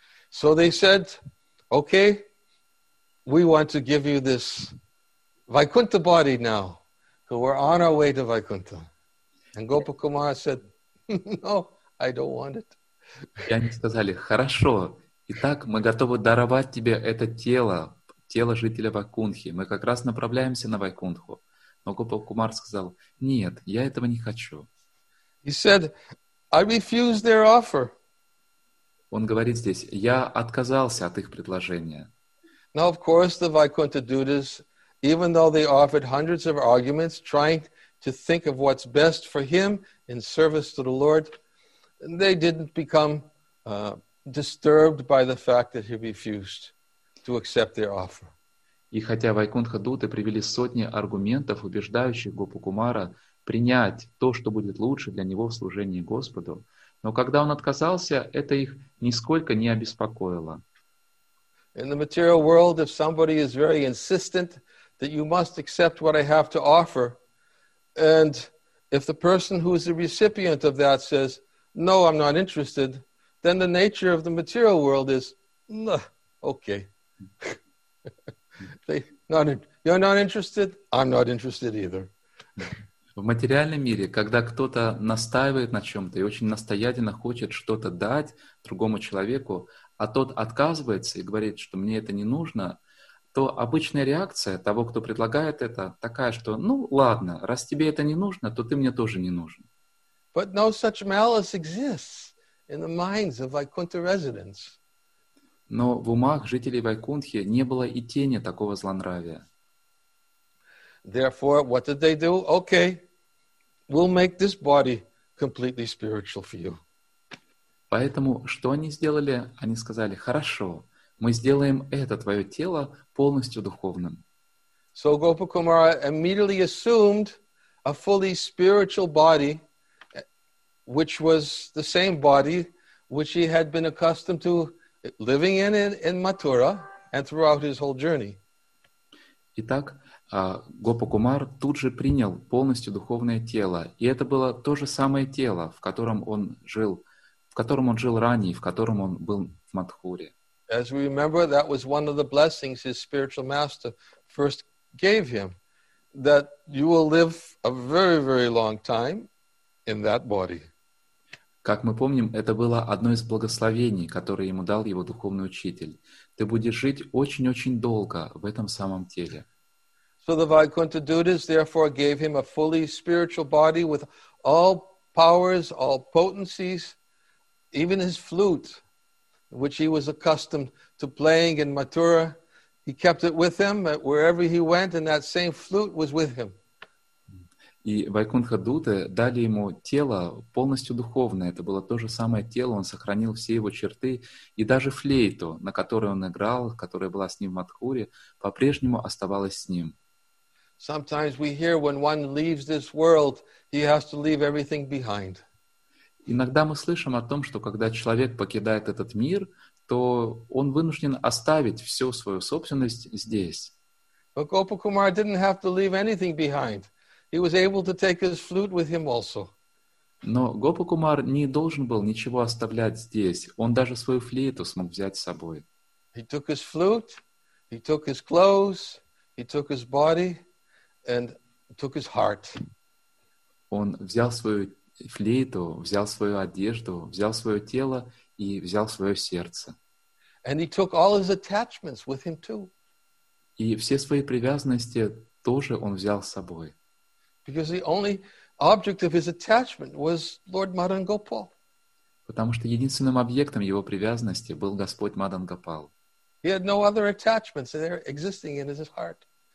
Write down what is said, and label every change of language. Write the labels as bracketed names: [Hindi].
[English] So they said, okay, we want to give you this Vaikuntha body now. So we're on our way to Vaikuntha. And Gopakumara said, no, I don't want it. [Russian] И они сказали, хорошо, итак, мы готовы даровать тебе это тело, тело жителя Вайкунтхи. Мы как раз направляемся на Вайкунтху. Но Гопакумар сказал, нет, я этого не хочу. [English] He said, I refuse their offer. [Russian] Он говорит здесь, я отказался от их предложения. [English] Now, of course, the Vaikuntha Dutas, even though they offered hundreds of arguments, trying to think of what's best for him in service to the Lord, they didn't become disturbed by the fact that he refused to accept their offer. [Russian] И хотя Вайкунтха Дуты привели сотни аргументов, убеждающих Гопакумара принять то, что будет лучше для него в служении Господу, но когда он отказался, это их нисколько не обеспокоило. [English] In the material world, if somebody is very insistent that you must accept what I have to offer, and if the person who is the recipient of that says, no, I'm not interested, then the nature of the material world is, okay. You're not interested, I'm not interested either. [Russian] В материальном мире, когда кто-то настаивает на чем-то и очень настоятельно хочет что-то дать другому человеку, а тот отказывается и говорит, что мне это не нужно, то обычная реакция того, кто предлагает это, такая, что ну ладно, раз тебе это не нужно, то ты мне тоже не нужен. [English] But no such malice exists in the minds of Vaikuntha residents. [Russian] Но в умах жителей Вайкунтхи не было и тени такого злонравия. [English] Therefore, what did they do? Okay, we'll make this body completely spiritual for you. [Russian] Поэтому, что они сделали? Они сказали, хорошо, мы сделаем это твое тело полностью духовным. [English] So Gopakumara immediately assumed a fully spiritual body, which was the same body which he had been accustomed to living in Mathura and throughout his whole journey. [Russian] Итак, Гопакумар тут же принял полностью духовное тело, и это было то же самое тело, в котором он жил ранее, в котором он был в Матхуре. [English] As we remember, that was one of the blessings his spiritual master first gave him, that you will live a very, very long time in that body. [Russian] Как мы помним, это было одно из благословений, которое ему дал его духовный учитель. Ты будешь жить очень-очень долго в этом самом теле. [English] So the Vaikuntha Dutas therefore gave him a fully spiritual body with all powers, all potencies, even his flute, which he was accustomed to playing in Mathura. He kept it with him wherever he went, and that same flute was with him. [Russian] И Вайкунтха Дуты дали ему тело полностью духовное. Это было то же самое тело, он сохранил все его черты. И даже флейту, на которой он играл, которая была с ним в Матхуре, по-прежнему оставалась с ним. [English] Sometimes we hear when one leaves this world, he has to leave everything behind. [Russian] Иногда мы слышим о том, что когда человек покидает этот мир, то он вынужден оставить всю свою собственность здесь. [English] But Gopakumara didn't have to leave anything behind. He was able to take his flute with him also. [Russian] Но Гопакумар не должен был ничего оставлять здесь. Он даже свою флейту смог взять с собой. [English] He took his flute, he took his clothes, he took his body, and took his heart. [Russian] Он взял свою флейту, взял свою одежду, взял свое тело и взял свое сердце. [English] And he took all his attachments with him too. [Russian] И все свои привязанности тоже он взял с собой. [English] Because the only object of his attachment was Lord Madan Gopal. [Russian] Потому что единственным объектом его привязанности был Господь Мадан Гопал. [English] He had no other attachments there existing in his heart.